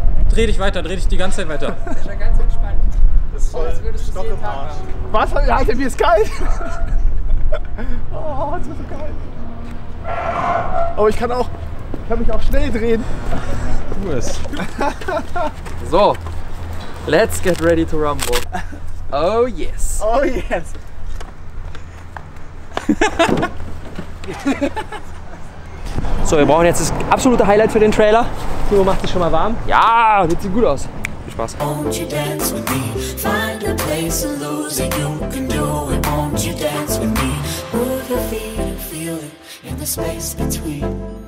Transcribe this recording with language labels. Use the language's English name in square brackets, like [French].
[German] Dreh dich die ganze Zeit weiter. Das ist ja ganz entspannt. Das ist voll Stockelmarsch. Was? Alter, mir ist kalt. Oh, jetzt wird so kalt. Aber ich kann mich auch schnell drehen. [English] So, let's get ready to rumble. Oh yes. Oh yes. [German] So, wir brauchen jetzt das absolute Highlight für den Trailer. Timo macht sich schon mal warm. Ja, sieht so gut aus. Viel Spaß. [English] Won't you dance with me? Find a place to lose it. You can do it. Won't you dance with me? Move your feet and feel it in the space between.